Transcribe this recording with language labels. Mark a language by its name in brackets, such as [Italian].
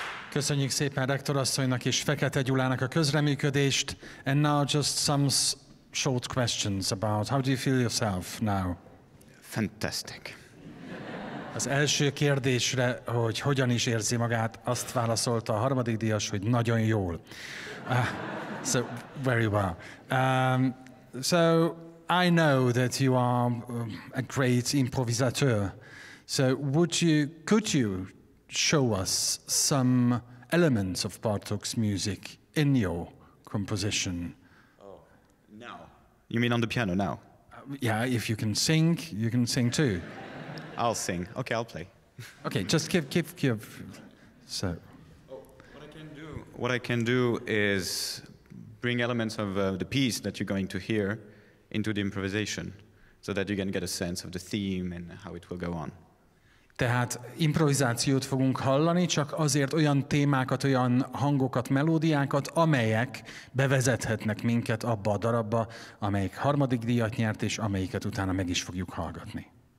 [Hungarian] Köszönjük szépen rektorasszonynak és Fekete Gyulának a közreműködést. [English] And now just some short questions about how do you feel yourself now? Fantastic. [Hungarian] Az első kérdésre, hogy hogyan is érzi magát, azt válaszolta a harmadik díjas, hogy nagyon jól. [English] So very well. So I know that you are a great improvisateur. So could you show us some elements of Bartók's music in your composition? Oh, now. You mean on the piano now? Yeah, if you can sing, you can sing too. I'll sing. Okay, I'll play. Okay, just give. So. Oh, what I can do is bring elements of the piece that you're going to hear into the improvisation so that you can get a sense of the theme and how it will go on. [Hungarian] Tehát improvizációt fogunk hallani, csak azért olyan témákat, olyan hangokat, melódiákat, amelyek bevezethetnek minket abba a darabba, amelyik harmadik díjat nyert, és amelyiket utána meg is fogjuk hallgatni.